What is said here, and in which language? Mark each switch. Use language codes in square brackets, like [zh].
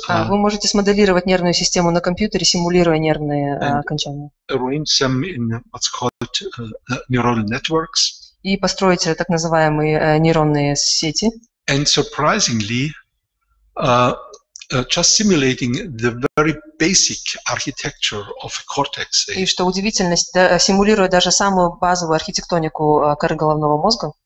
[ru] Вы можете смоделировать нервную систему на компьютере, симулируя нервные окончания. [en] Arrange them in what's called neural networks. [ru] И построить так называемые нейронные сети. [en] And surprisingly, just simulating the very basic architecture of a cortex. [ru] И что удивительно, симулируя даже самую базовую архитектонику коры головного мозга,